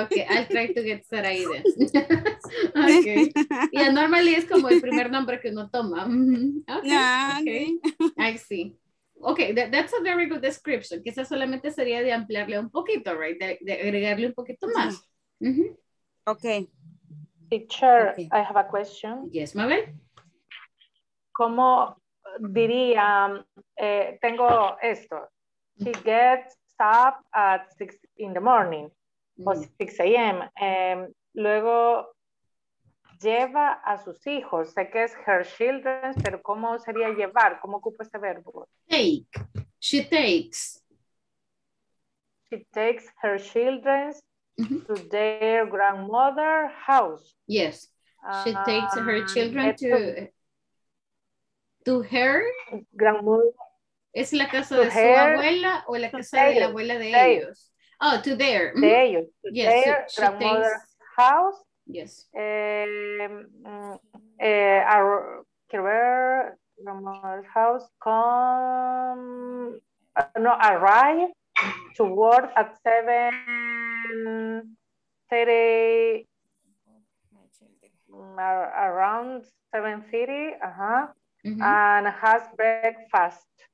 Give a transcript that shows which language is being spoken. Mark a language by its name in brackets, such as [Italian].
[English] Oh, okay, I'll try to get Sarai then. Okay. Yeah, normally [Spanish] es como el primer nombre que uno toma. [English] Okay. Yeah, okay. I see. Okay, that's a very good description. [Spanish] Quizás solamente sería de ampliarle un poquito, right? De agregarle un poquito más. Mm-hmm. [English] Okay. Teacher, okay. I have a question. Yes, Mabel. [Spanish] ¿Cómo diría, tengo esto? [English] She gets up at 6 in the morning, o 6 a.m. [Spanish] Luego lleva a sus hijos. Sé que es [English] her children, [Spanish] pero ¿cómo sería llevar? ¿Cómo ocupa ese verbo? [English] Take. She takes. She takes her children to their grandmother's house. Yes. She takes her children to her grandmother. [Spanish] ¿Es la casa de su abuela o la casa de la abuela de ellos? [English] Oh, to their. [Spanish] De ellos. [English] Yes, their grandmother's house. Yes. Our grandmother's house arrive to work at 7:30, around 7:30, and has breakfast.